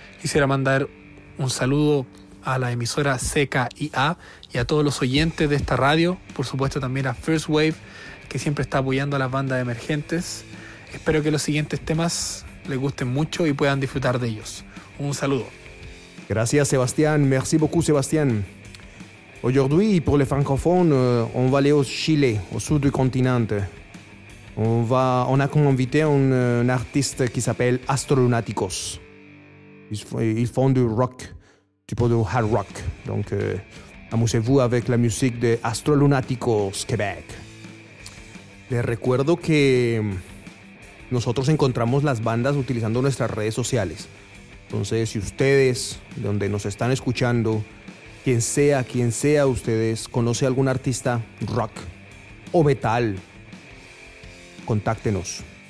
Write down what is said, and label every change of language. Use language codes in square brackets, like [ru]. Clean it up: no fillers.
[es] Quisiera mandar un saludo a la emisora CKIA y a todos los oyentes de esta radio, por supuesto también a First Wave, que siempre está apoyando a las bandas emergentes. Espero que los siguientes temas les gusten mucho y puedan disfrutar de ellos. Un saludo. Gracias Sebastián, [fr] merci beaucoup Sebastián. Aujourd'hui, pour les francophones, on va aller au Chili, au sud du continent. On a comme invité un artiste qui s'appelle Astrolunáticos. Ils font du rock, type de hard rock. Donc, amusez-vous avec la musique de Astrolunáticos Québec. [es] Les recuerdo que nosotros encontramos las bandas utilizando nuestras redes sociales. Entonces, si ustedes, donde nos están escuchando, Quien sea ustedes, conoce algún artista rock o metal, contáctenos.